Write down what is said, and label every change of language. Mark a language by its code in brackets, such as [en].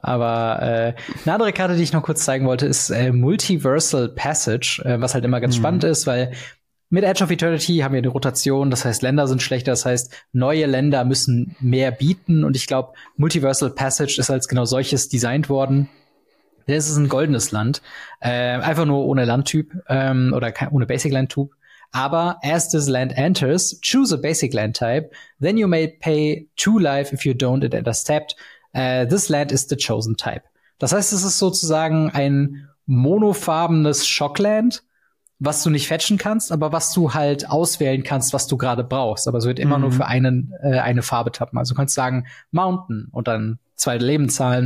[de] Aber eine andere Karte, die ich noch kurz zeigen wollte, ist Multiversal Passage, was halt immer ganz spannend ist, weil mit Edge of Eternity haben wir eine Rotation, das heißt, Länder sind schlechter, das heißt, neue Länder müssen mehr bieten. Und ich glaube, Multiversal Passage ist als genau solches designt worden. Das ist ein goldenes Land, einfach nur ohne Landtyp oder ohne Basic-Landtyp. [en] Aber as this land enters, choose a basic land type, then you may pay two life if you don't, it enters tapped. This land is the chosen type. [de] Das heißt, es ist sozusagen ein monofarbenes Schockland, was du nicht fetchen kannst, aber was du halt auswählen kannst, was du gerade brauchst. Aber es wird immer nur für eine Farbe tappen. Also du kannst sagen Mountain und dann zwei Leben zahlen.